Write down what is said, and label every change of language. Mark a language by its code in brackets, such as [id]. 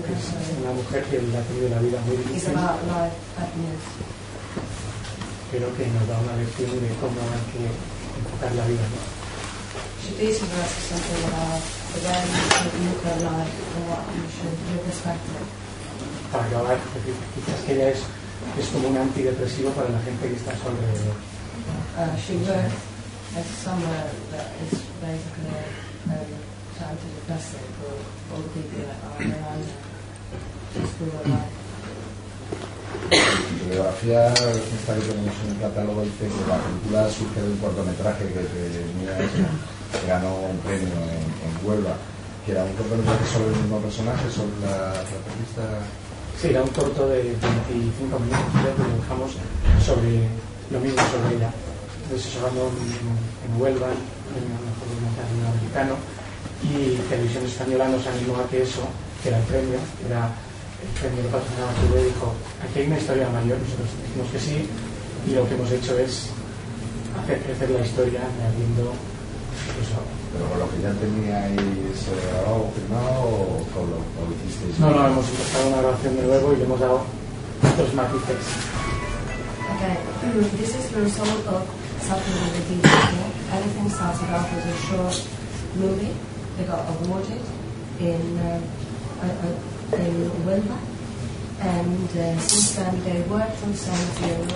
[es] Es una mujer que ha tenido la vida muy difícil. [en] It's about life happiness. [es] Creo que nos da una lección de cómo hay que enfocar la vida, ¿no? [en] She basically asks something about the way you should look at life or what you should look at. [es] Para acabar, quizás que ella es como un antidepresivo para la gente que está a su alrededor. [en] She works at somewhere that is basically antidepressive for all the people that are around just through her life. [es] La biografía está que tenemos en el catálogo, dice que la película surge de un cortometraje que ganó un premio en Huelva, que era un cortometraje sobre el mismo personaje, sobre la protagonista. Sí, era un corto de 25 minutos que dibujamos sobre lo mismo, sobre ella. Entonces, eso ganó en Huelva, en un cortometraje americano, y Televisión Española nos animó a que eso, que era el premio, que era. El patrocinador que le dijo, aquí hay una historia mayor, nosotros dijimos que sí, y lo que hemos hecho es hacer crecer la historia añadiendo eso. ¿Pero con lo que ya teníais grabado, firmado, o con lo que hicisteis? No, no, hemos empezado una grabación de nuevo y le hemos dado otros matices. [en] Okay, this is the result of something that we did, okay? Everything started off as a short movie that got awarded in Wimba, and since then they worked on the same deal.